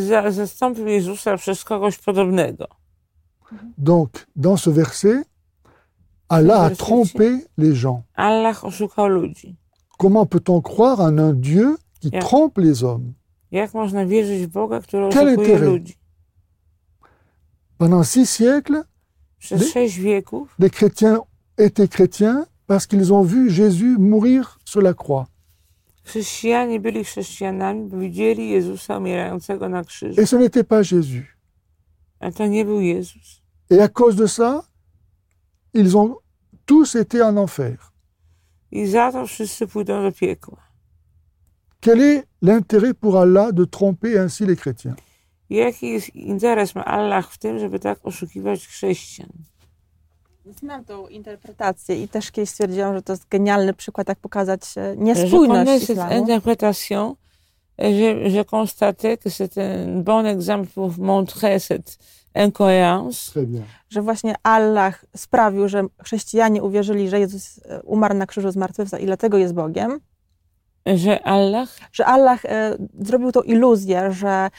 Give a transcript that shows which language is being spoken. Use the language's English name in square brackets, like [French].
[Polish] Zastąpił Jezusa przez kogoś podobnego. [French] Donc, dans ce verset, Allah a trompé les gens. [Polish] Allah oszukał ludzi. [French] Comment peut-on croire en un Dieu qui trompe les hommes? [Polish] Jak można wierzyć w Boga, który oszukuje ludzi? [French] Pendant six siècles, les chrétiens étaient chrétiens parce qu'ils ont vu Jésus mourir sur la croix. [Polish] Chrześcijanie byli chrześcijanami, bo widzieli Jezusa umierającego na krzyżu. [French] Et ce n'était pas Jésus. [Polish] A to nie był Jezus. [French] Et à cause de ça, ils ont tous été en enfer. [Polish] I za to wszyscy pójdą do piekła. [French] Quel est l'intérêt pour Allah de tromper ainsi les chrétiens? [Polish] Jaki jest interes ma Allah w tym, żeby tak oszukiwać chrześcijan? Znam tą interpretację i też kiedyś stwierdziłam, że to jest genialny przykład, jak pokazać niespójność islamu. [French] Cette interprétation, je constate que c'est un bon exemple pour montrer cette incohérence. [Polish] Że właśnie Allah sprawił, że chrześcijanie uwierzyli, że Jezus umarł na krzyżu, zmartwychwstał i dlatego jest Bogiem. Że Allah zrobił tą iluzję, że